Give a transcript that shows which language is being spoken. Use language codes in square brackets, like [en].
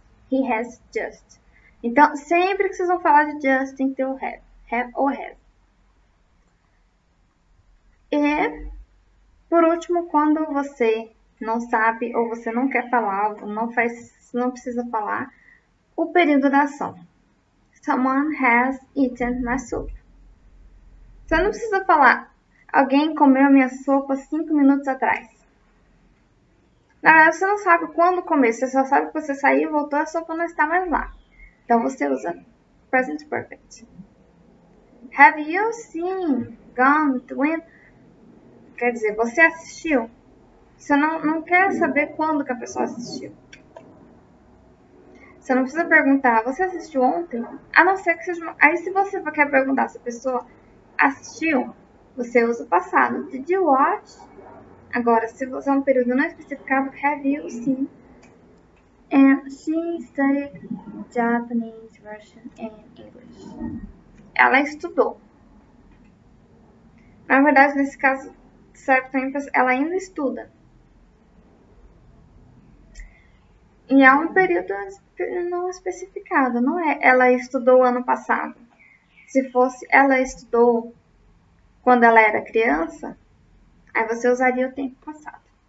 [pt] He has just. Então, sempre que vocês vão falar de just, tem que ter o have. Have ou has. E, por último, quando você não sabe ou você não quer falar, ou não faz, não precisa falar, o período da ação. [en] Someone has eaten my soup. [pt] Você não precisa falar, alguém comeu minha sopa 5 minutos atrás. Na verdade, você não sabe quando comeu, você só sabe que você saiu e voltou, a sopa não está mais lá. Então você usa present perfect. [en] Have you seen Gone with the Wind? [pt] Quer dizer, você assistiu? Você não quer saber quando que a pessoa assistiu. Você não precisa perguntar, você assistiu ontem? A não ser que seja. Aí, se você quer perguntar se a pessoa assistiu, Você usa o passado. Did you watch? Agora, se você usar um período não especificado, have you seen? [en] And she studied Japanese, Russian and English. [pt] Ela estudou. Na verdade, nesse caso, serve também para ela ainda estuda. E é um período não especificado, não é? Ela estudou ano passado. Se fosse ela estudou quando ela era criança, aí você usaria o tempo passado.